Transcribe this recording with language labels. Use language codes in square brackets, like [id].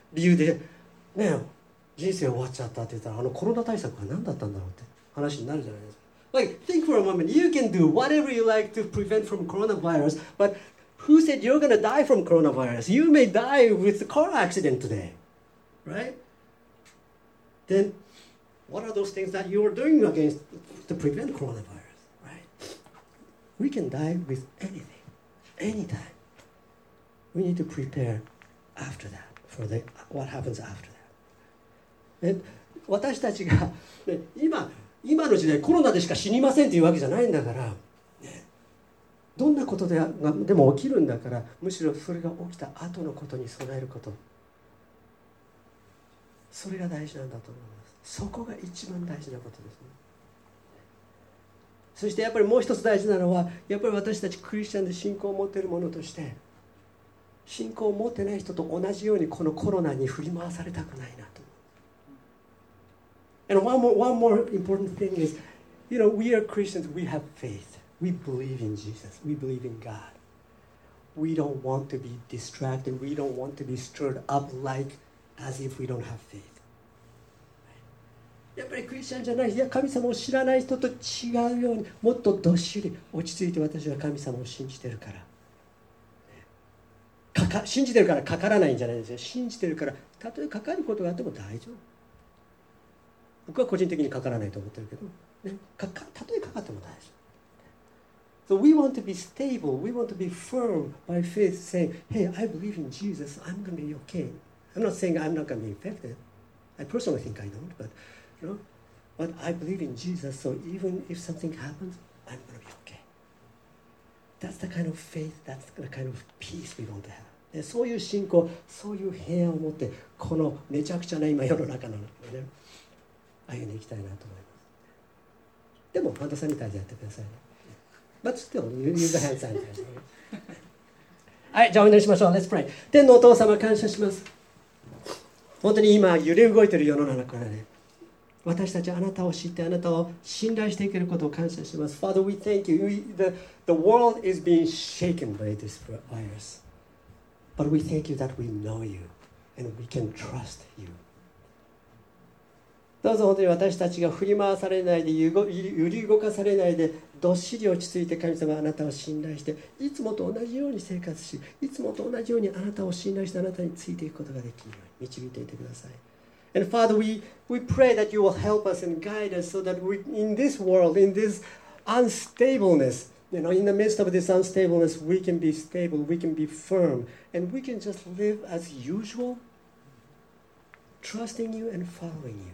[ja] 理由で、ね、人生終わっちゃったって言ったら、あのコロナ対策は何だったんだろうって話になるじゃないですか。 [en] Like, think for a moment. You can do whatever you like to prevent from coronavirus, but who said you're going to die from coronavirus? You may die with a car accident today. Right? Then, what are those things that you are doing against to prevent coronavirus? Right? We can die with anything, anytime. We need to prepare after that, for the, what happens after that. [ja] And 私たちが、ね、今の時代コロナでしか死にませんというわけじゃないんだから、ね、どんなことでも起きるんだから、むしろそれが起きた後のことに備えること、それが大事なんだと思います。そこが一番大事なことですね。そしてやっぱりもう一つ大事なのは、やっぱり私たちクリスチャンで信仰を持っている者として、信仰を持ってない人と同じようにこのコロナに振り回されたくないなと。 [en] And one more important thing is, you know, we are Christians, we have faith. We believe in Jesus. We believe in God. We don't want to be distracted. We don't want to be stirred up like as if we don't have faith. [ja] やっぱりクリスチャンじゃない、いや神様を知らない人と違うように、もっとどっしり落ち着いて、私は神様を信じてるから。信じてるからかからないんじゃないですよ。信じてるから、たとえかかることがあっても大丈夫。僕は個人的にかからないと思ってるけど、ね、たとえかかっても大丈夫。 [en] So we want to be stable, we want to be firm by faith, saying, hey, I believe in Jesus, I'm going to be okay. I'm not saying I'm not going to be infected. I personally think I don't, but, you know, but I believe in Jesus, so even if something happens, I'm going to be okay. That's the kind of faith, that's the kind of peace we want to have. [ja] で、そういう信仰、そういう平安を持って、このめちゃくちゃな今世の中なのでね、歩んでいきたいなと思います。でも、ハンドサニタイズやってくださいね。 [en] But still, use the hand sanitizer. [ja] はい、じゃあお祈りしましょう。 [en] Let's pray. [ja] 天のお父様、感謝します。本当に今、揺れ動いている世の中からね、私たちあなたを知って、あなたを信頼していけることを感謝します。 [en] Father, we thank you. The world is being shaken by this virus. But we thank you that we know you and we can trust you. [ja] どうぞ本当に私たちが振り回されないで、揺り動かされないで、どっしり落ち着いて、神様あなたを信頼して、いつもと同じように生活し、いつもと同じようにあなたを信頼して、あなたについていくことができるように導いていてください。 [en] And Father, we pray that you will help us and guide us so that we, in this world, in this unstableness,You know, in the midst of this unstableness, we can be stable, we can be firm, and we can just live as usual, trusting you and following you.